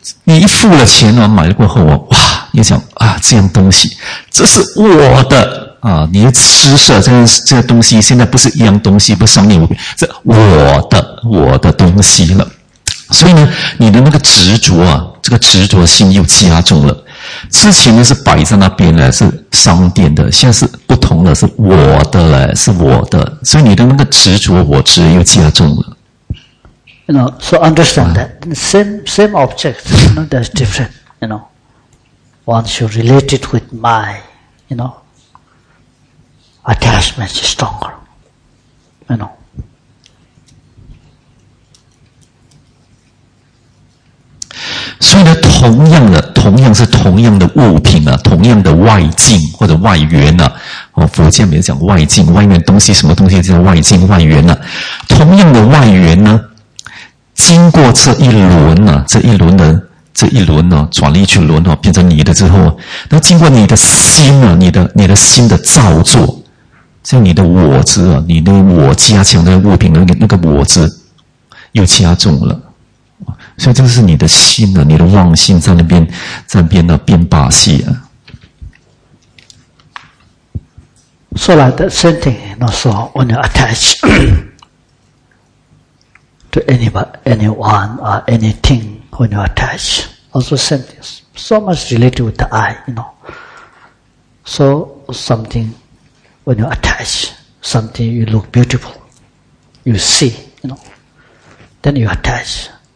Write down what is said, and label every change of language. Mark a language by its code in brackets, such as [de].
[zh] 你一付了钱了，买了过后，哇，你想啊，这样东西，这是我的啊，你施舍这个东西，现在不是一样东西，不是生命物品，这我的东西了。所以呢，你的那个执着啊，这个执着心又加重了。之前呢是摆在那边呢，是商店的，现在是不同的，是我的嘞，是我的。所以你的那个执着我执又加重了。 [en] You know, so understand that same object, you know, that's different, you know. Once you relate it with my, you know, attachment is stronger, you know. [zh] So, 呢同样是同样的物品啊，同样的外境或者外缘啊，哦，佛教没有讲外境，外面东西什么东西叫外境外缘啊，同样的外缘呢？经过这一轮呢、啊，这一轮呢、啊，转了一圈轮哦、啊，变成你的之后，那经过你的心呢、啊，你的心的造作，像你的我执啊，你的我加强的物品的那个我执又加重了，所以这个是你的心呢、啊，你的妄心在那边呢、啊、变把戏啊。 [en] So like the same thing, not so when you attach. to anyone or anything when you attach. Also same thing. So much related with the eye, you know. So something, when you attach, something you look beautiful, you see, you know. Then you attach.